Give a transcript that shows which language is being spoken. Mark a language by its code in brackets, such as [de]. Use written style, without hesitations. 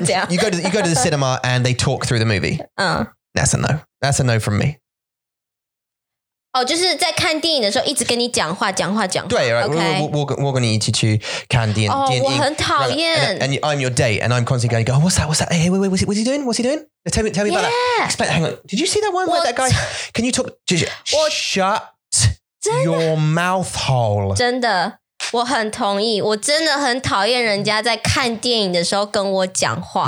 [en] You go to the cinema and they talk through the movie. That's a no. That's a no from me. [zh] Oh, 就是在看电影的时候一直跟你讲话。 [en] 对, right, okay. we're going to eat you to candy. And, [zh] oh, 我很讨厌。 [en] And I'm your date and I'm constantly going, what's that? Hey, wait, what's he doing? Tell me yeah. about that. Expect, hang on, did you see that one where that guy, can you talk, shut your mouth hole. [zh] 真的,我很同意,我真的很讨厌人家在看电影的时候跟我讲话。